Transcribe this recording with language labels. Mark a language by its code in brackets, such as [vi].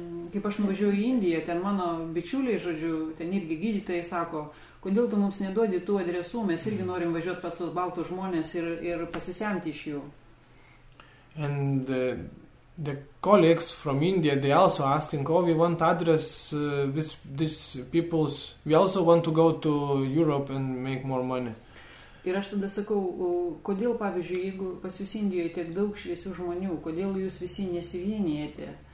[lt] Kaip aš nuvažiuoju į Indiją, ten mano bičiuliai, žodžiu, ten irgi gydytojai sako, kodėl tu mums neduodi tų adresų, mes irgi norim važiuoti pas tos baltus žmonės ir pasisemti iš jų. [en] And the colleagues from India, they also asking, oh, we want address this people's, we also want to go to Europe and make more money. [lt] Ir aš tada sakau, kodėl, pavyzdžiui, jeigu pas jūs Indijoje tiek daug šviesių žmonių, kodėl jūs visi nesivienijate?